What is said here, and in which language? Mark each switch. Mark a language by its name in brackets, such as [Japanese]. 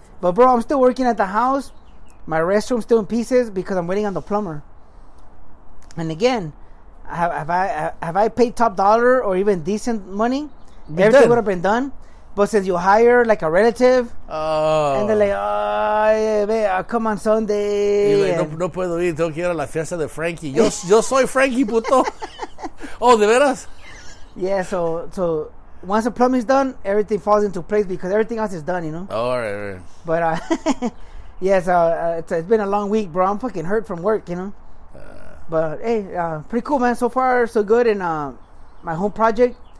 [English] But bro, I'm still working at the house. My restroom's still in pieces because I'm waiting on the plumber. And again, have I paid top dollar or even decent money? Be everything would have been done. But since you hire like a relative, oh. And they're like, oh, yeah, babe, I'll come on Sunday. You're like, [Spanish] no puedo ir, tengo que ir a la fiesta de Frankie. Yo soy Frankie, puto. Oh, de veras? [English] Yeah, so once the plumbing's done, everything falls into place because everything else is done, you know? Oh, right. But, it's been a long week, bro. I'm fucking hurt from work, you know? But, hey, pretty cool, man. So far, so good. And my home project.